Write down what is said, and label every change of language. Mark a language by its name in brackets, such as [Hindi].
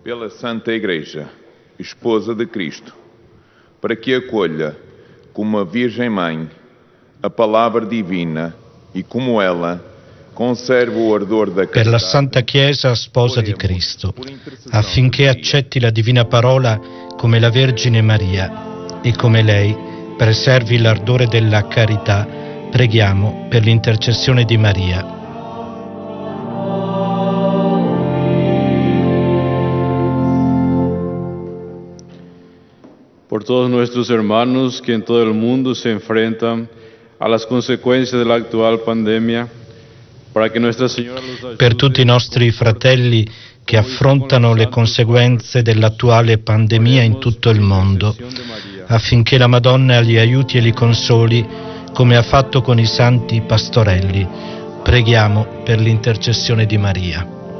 [Portuguese] Santa Igreja, esposa de Cristo, para que acolha como a Virgem Mãe a palavra divina e como ela conserve o ardor da [Italian] per la Santa Chiesa sposa di Cristo, affinché accetti la divina parola come la Vergine Maria e come lei preservi l'ardore della carità, preghiamo per l'intercessione di Maria. [Spanish] Por todos nuestros hermanos que en todo el mundo se enfrentan a las consecuencias de la actual pandemia, para que nuestra Señora los ayude. [Italian] Per tutti i nostri fratelli che affrontano le conseguenze dell'attuale pandemia in tutto il mondo, affinché la Madonna li aiuti e li consoli, come ha fatto con i santi pastorelli, preghiamo per l'intercessione di Maria.